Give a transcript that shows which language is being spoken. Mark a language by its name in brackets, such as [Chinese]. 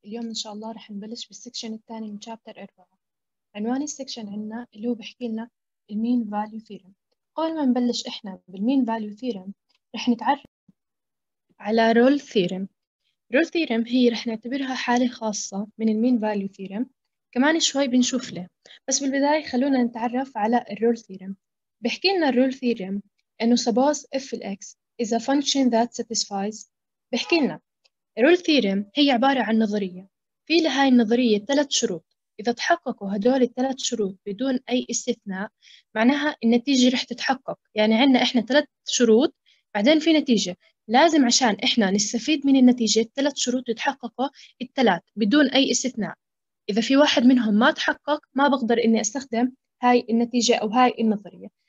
[Arabic] اليوم إن شاء الله رح نبلش بالسكشن الثاني من شابتر 4. عنوان السكشن عندنا اللي هو بحكي لنا المين فاليو ثيرم. قبل ما نبلش إحنا بالمين فاليو ثيرم رح نتعرف على رول ثيرم. رول ثيرم هي رح نعتبرها حالة خاصة من المين فاليو ثيرم، كمان شوي بنشوف له، بس بالبداية خلونا نتعرف على الرول ثيرم. بحكي لنا الرول ثيرم إنه [English] suppose f x is a function that satisfies. [Arabic] بحكي لنا رول ثيرم هي عبارة عن نظرية، في لهاي النظرية ثلاث شروط، إذا تحققوا هدول الثلاث شروط بدون أي استثناء معناها النتيجة رح تتحقق. يعني عنا إحنا ثلاث شروط بعدين في نتيجة، لازم عشان إحنا نستفيد من النتيجة ثلاث شروط يتحققوا الثلاث بدون أي استثناء، إذا في واحد منهم ما تحقق ما بقدر إني أستخدم هاي النتيجة أو هاي النظرية.